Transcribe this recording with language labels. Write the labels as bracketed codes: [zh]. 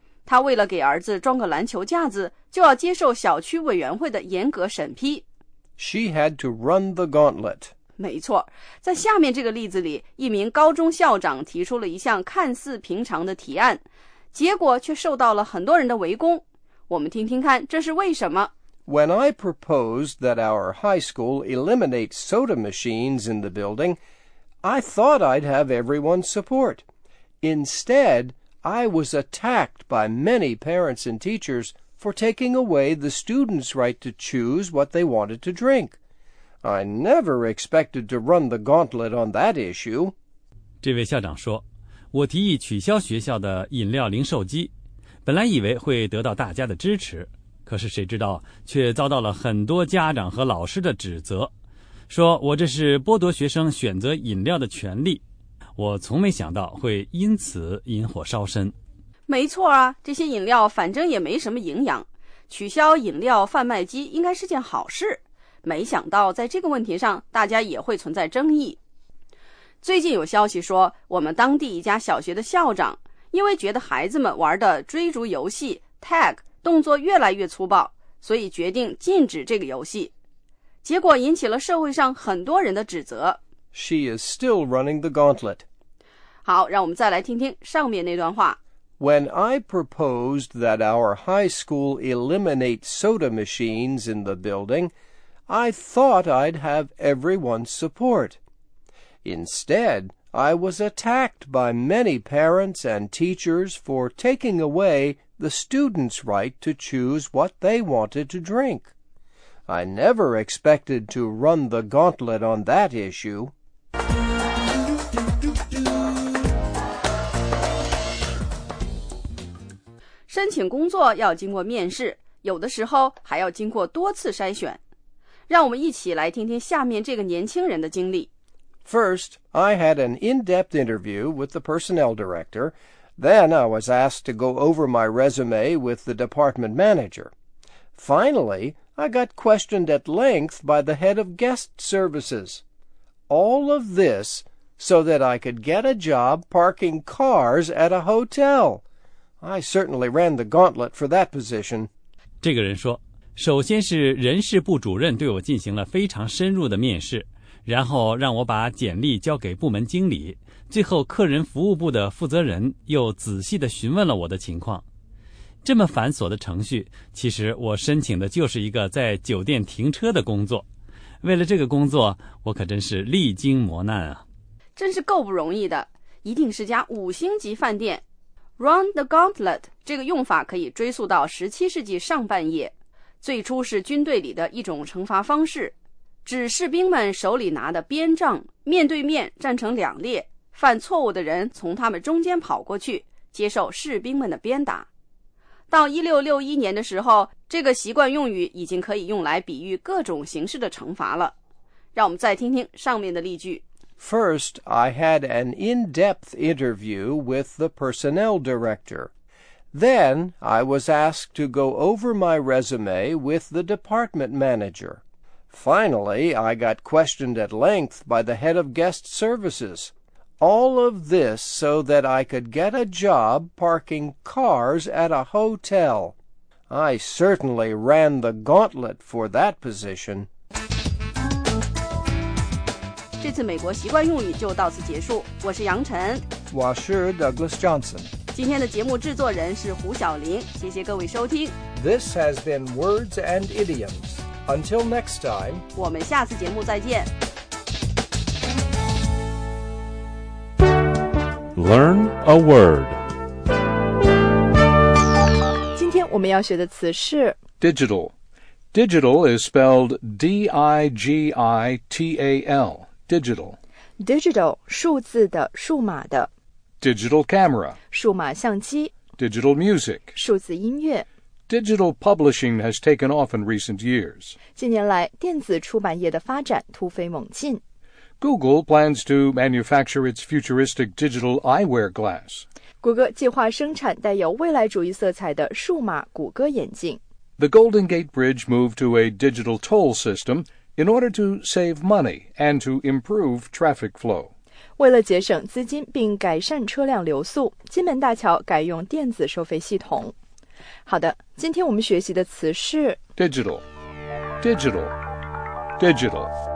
[zh] 他为了给儿子装个篮球架子，就要接受小区委员会的严格审批。 [en] She had to run the gauntlet. [zh] 没错，在下面这个例子里，一名高中校长提出了一项看似平常的提案，结果却受到了很多人的围攻。我们听听看，这是为什么。 [en] When I proposed that our high school eliminate soda machines in the building, I thought I'd have everyone's support. Instead,I was attacked by many parents and teachers for taking away the students' right to choose what they wanted to drink. I never expected to run the gauntlet on that issue. [zh] 这位校长说，我提议取消学校的饮料零售机，本来以为会得到大家的支持，可是谁知道却遭到了很多家长和老师的指责，说我这是剥夺学生选择饮料的权利。我从没想到会因此引火烧身。没错啊，这些饮料反正也没什么营养，取消饮料贩卖机应该是件好事。没想到在这个问题上大家也会存在争议。最近有消息说，我们当地一家小学的校长因为觉得孩子们玩的追逐游戏 tag 动作越来越粗暴，所以决定禁止这个游戏，结果引起了社会上很多人的指责。 [en] She is still running the gauntlet. [zh] 好，让我们再来听听上面那段话。 [en] When I proposed that our high school eliminate soda machines in the building, I thought I'd have everyone's support. Instead, I was attacked by many parents and teachers for taking away the students' right to choose what they wanted to drink. I never expected to run the gauntlet on that issue. [zh] 申请工作要经过面试，有的时候还要经过多次筛选。让我们一起来听听下面这个年轻人的经历。 [en] First, I had an in-depth interview with the personnel director. Then I was asked to go over my resume with the department manager. Finally, I got questioned at length by the head of guest services. All of this so that I could get a job parking cars at a hotel. I certainly ran the gauntlet for that position. [zh] 这个人说，首先是人事部主任对我进行了非常深入的面试，然后让我把简历交给部门经理，最后客人服务部的负责人又仔细地询问了我的情况。这么繁琐的程序，其实我申请的就是一个在酒店停车的工作。为了这个工作，我可真是历经磨难啊。真是够不容易的，一定是家五星级饭店。 [en] Run the gauntlet [zh] 这个用法可以追溯到17世纪上半叶，最初是军队里的一种惩罚方式，指士兵们手里拿的鞭杖，面对面站成两列，犯错误的人从他们中间跑过去，接受士兵们的鞭打。到1661年的时候，这个习惯用语已经可以用来比喻各种形式的惩罚了。让我们再听听上面的例句。 [en] First, I had an in-depth interview with the personnel director. Then, I was asked to go over my resume with the department manager. Finally, I got questioned at length by the head of guest services. All of this so that I could get a job parking cars at a hotel. I certainly ran the gauntlet for that position. [zh] 这次美国习惯用语就到此结束，我是杨晨，我是 Douglas Johnson，今天的节目制作人是胡晓玲，谢谢各位收听。 [en] This has been Words and Idioms. Until next time， [zh] 我们下次节目再见。 [en] Learn a word， [zh] 今天我们要学的词是 [en] Digital. Digital is spelled D-I-G-I-T-A-L. Digital. [zh] Digital, 数字的、数码的。 [en] Digital camera, [zh] 数码相机。 [en] Digital music, [zh] 数字音乐。 [en] Digital publishing has taken off in recent years. [zh] 近年来，电子出版业的发展突飞猛进。 [en] Google plans to manufacture its futuristic digital eyewear glass. [zh] 谷歌计划生产带有未来主义色彩的数码谷歌眼镜。 [en] The Golden Gate Bridge moved to a digital toll system,in order to save money and to improve traffic flow. [zh] 为了节省资金并改善车辆流速，金门大桥改用电子收费系统。好的，今天我们学习的词是 [en] Digital, digital, digital.